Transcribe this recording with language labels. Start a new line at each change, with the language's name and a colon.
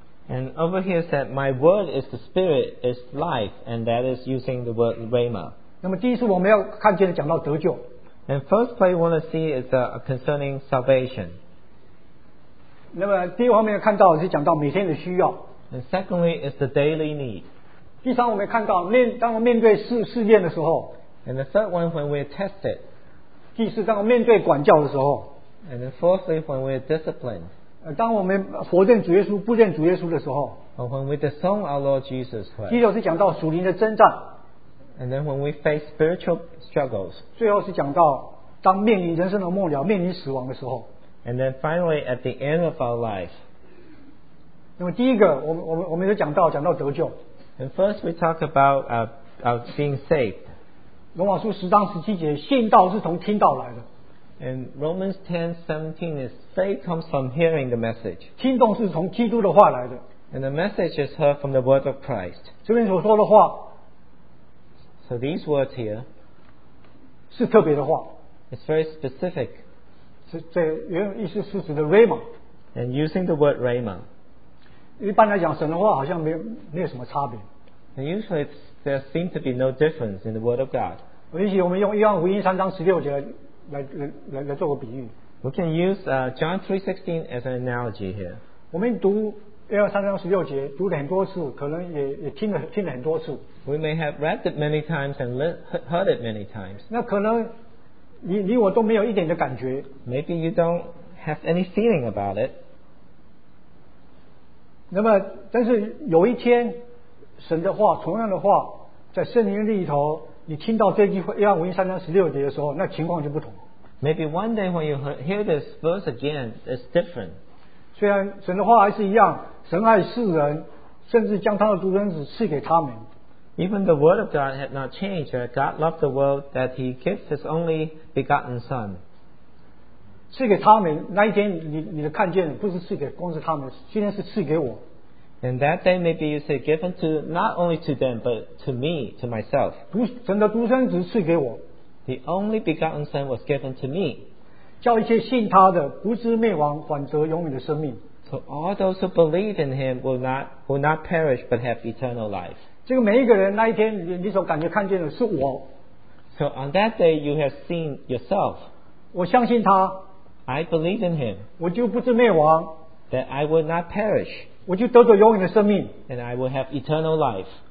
English: And over here said, my word is the spirit, is life, and that is using the word Rhema.
Chinese: 那么第一次我们要看见的讲到得救。
English: And first place we want to see is concerning salvation.
Chinese: 那么第二方面看到是讲到每天的需要。
English: And secondly is the daily need.
Chinese: 第三我们看到当我们面对试验的时候。
English: And the third one when we're tested.
Chinese: 第四当我们面对管教的时候。
English: And then fourthly, when we are disciplined.
Chinese: 当我们否认主耶稣，不认主耶稣的时候。
English: Or when we disown our Lord Jesus Christ.
Chinese: 第六是讲到属灵的征战。
English: And then when we face spiritual struggles.
Chinese: 最后是讲到当面临人生的末了，面临死亡的时候。
English: And then finally, at the end of our life.
Chinese: 那么第一个，我们有讲到得救。
English: And first, we talk about being saved.
Chinese: 罗马书十章十七节，信道是从听道来的。
English: And Romans 10:17 is faith comes from hearing the message.
Chinese: 听懂是从基督的话来的。
English: And the message is heard from the word of Christ.
Chinese: 这边所说的话。
English: So these words here.
Chinese: 是特别的话。
English: It's very specific.
Chinese: 这原意思是指的 Rhema.
English: And using the word Rhema.
Chinese: 一般来讲神的话好像没有什么差别。
English: And usually there seems to be no difference in the word of God.
Chinese: 也许我们用约翰福音三章十六节来做个比喻。
English: We can use John 3:16 as an analogy here.
Chinese: 我们读约翰三章十六节读了很多次，可能也听了很多次。
English: We may have read it many times and heard it many times.
Chinese: 那可能你我都没有一点的感觉。
English: Maybe you don't have any feeling about it.
Chinese: 那么，但是有一天，神的话，同样的话，在圣灵里头。你听到这句话约翰福音三章十六节的时候，那情况就不同。
English: Maybe one day when you hear this verse again, it's different.
Chinese: 虽然神的话还是一样，神爱世人，甚至将他的独生子赐给他们。
English: Even the word of God had not changed. God loved the world that He gives His only begotten Son.
Chinese: 赐给他们, 那一天你的看见不是赐给光是他们, 今天是赐给我。
English: And that day maybe you say given to not only to them but to me, to myself.
Chinese: 神的独生子赐给我。
English: The only begotten Son was given to me.
Chinese: 叫一切信他的不知灭亡,
English: so all those who believe in Him will not perish but have eternal life.
Chinese: 这个每一个人那一天你所感觉看见的是我。
English: So on that day you have seen yourself.
Chinese: 我相信他。
English: I believe in Him.
Chinese: 我就不知灭亡。
English: That I will not perish.
Chinese: 我就得到永远的生命。
English: And I will have eternal life.